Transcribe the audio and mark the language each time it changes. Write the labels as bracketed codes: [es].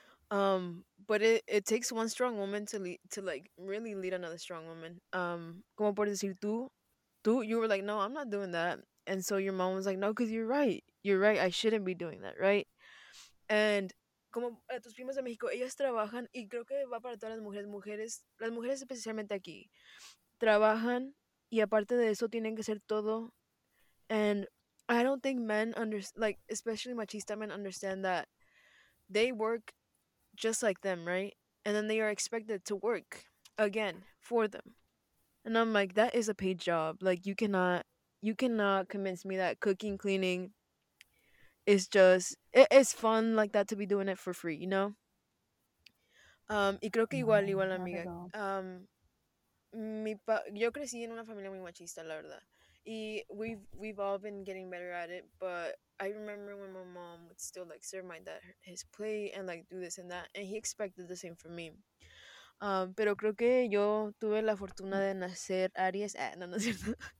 [en] But it takes one strong woman to lead, to like really lead another strong woman. [es] Como por decir tú, [en] you were like, no, I'm not doing that. And so your mom was like, no, because you're right. You're right. I shouldn't be doing that, right? And [es] como a tus primas de México, ellas trabajan y creo que va para todas las mujeres especialmente aquí, trabajan y aparte de eso tienen que hacer todo. [en] And I don't think men understand, like, especially machista men understand that they work just like them, right? And then they are expected to work again for them. And I'm like, that is a paid job. Like, you cannot convince me that cooking, cleaning is just, it's fun like that to be doing it for free, you know? [es] Y creo que igual, No, igual, [en] not at [es] amiga. [en] all. [es] Mi pa yo crecí en una familia muy machista, la verdad. [en] Y we've all been getting better at it, but I remember when my mom would still like serve my dad his plate and like do this and that, and he expected the same from me. [es] Pero creo que yo tuve la fortuna de nacer Aries, no, no es cierto.